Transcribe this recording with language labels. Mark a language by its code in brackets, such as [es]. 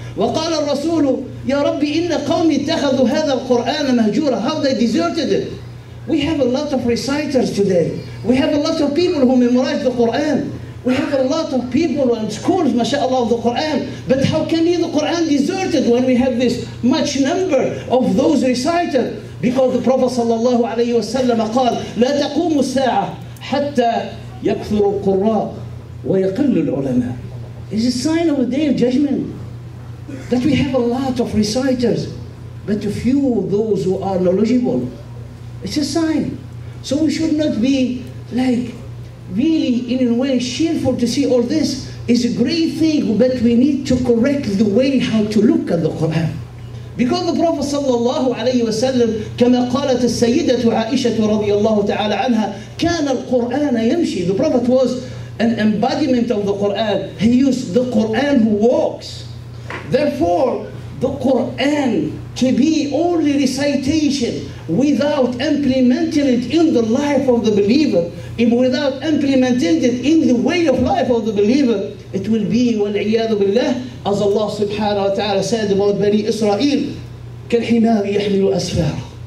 [ar] وَقَالَ الرَّسُولُ يَا رَبِّ إِنَّ قَوْمِ اتَّخَذُوا هَذَا الْقُرْآنَ مَهْجُورًا. [en] How they deserted it. We have a lot of reciters today. We have a lot of people who memorize the Quran. We have a lot of people and schools, mashallah, of the Quran. But how can be the Quran deserted when we have this much number of those reciters? Because the Prophet sallallahu alayhi wa sallam [ar] قال لا تقوم الساعة حتى يكثر القراء ويقل العلماء. [en] It's a sign of the day of judgment that we have a lot of reciters, but a few of those who are knowledgeable. It's a sign. So we should not be like really in a way cheerful to see all this. It's a great thing, but we need to correct the way how to look at the Quran. Because the Prophet sallallahu alayhi wa sallam, [ar] كما قالت السيدة عائشة رضي الله تعالى عنها, كان القرآن يمشي. [en] The Prophet was an embodiment of the Quran. He used the Quran who walks. Therefore, the Quran to be only recitation without implementing it in the life of the believer, if without implementing it in the way of life of the believer, it will be, [ar] وَالْعِيَاذُ بِاللَّهِ, [en] as Allah subhanahu wa ta'ala said about Bani Israel, [ar] كَالْحِمَارِ يَحْمِلُ أَسْفَارَ.